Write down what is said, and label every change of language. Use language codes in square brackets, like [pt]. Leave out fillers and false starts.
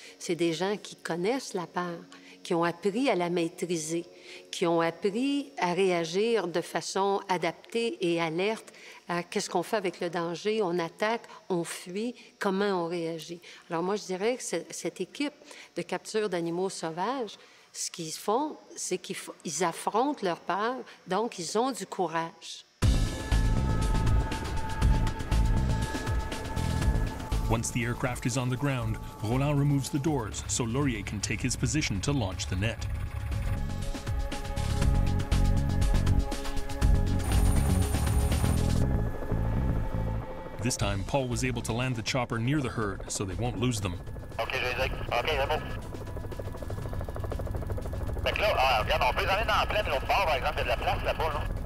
[fr] C'est des gens qui connaissent la peur. Qui ont appris à la maîtriser, qui ont appris à réagir de façon adaptée et alerte à qu'est-ce qu'on fait avec le danger, on attaque, on fuit, comment on réagit. Alors moi, je dirais que cette équipe de capture d'animaux sauvages, ce qu'ils font, c'est qu'ils affrontent leur peur, donc ils ont du courage. [en] Once the aircraft is on the ground, Roland removes the doors so Laurier can take his position to launch the net. This time, Paul was able to land the chopper near the herd, so they won't lose them. [fr] Okay, je vais dire. Okay, c'est bon. Fait que là, regarde, on peut les aller dans la plaine de l'autre bord, par exemple, il y a de la place là-bas, là.